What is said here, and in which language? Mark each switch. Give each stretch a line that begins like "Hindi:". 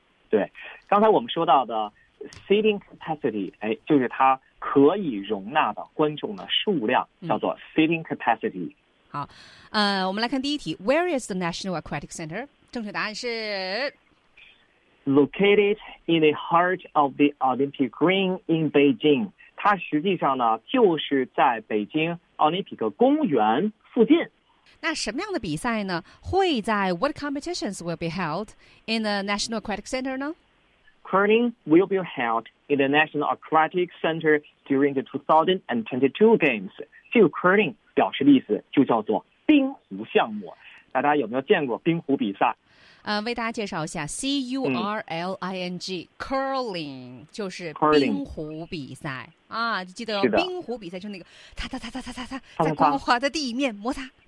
Chinese: 对，刚才我们说到的 seating capacity， 哎，就是它可以容纳的观众的数量，叫做 seating capacity。好，我们来看第一题
English: ，Where is the National Aquatic Center？
Chinese: 正确答案是
English: located in the heart of the Olympic Green in Beijing。
Chinese: 它实际上呢，就是在北京奥林匹克公园附近。那什么样的比赛呢？会在
English: What competitions will be held in the National Aquatic Center 呢？ Curling will be held in the National Aquatic Center during the 2022 Games.
Chinese: 这个 curling 表示的意思就叫做冰壶项目。大家有没有见过冰壶比赛？为大家介绍一下 ，curling， curling 就是冰壶比赛啊，记得、哦、冰壶比赛就那个擦擦擦擦擦擦擦在光滑的地面摩擦。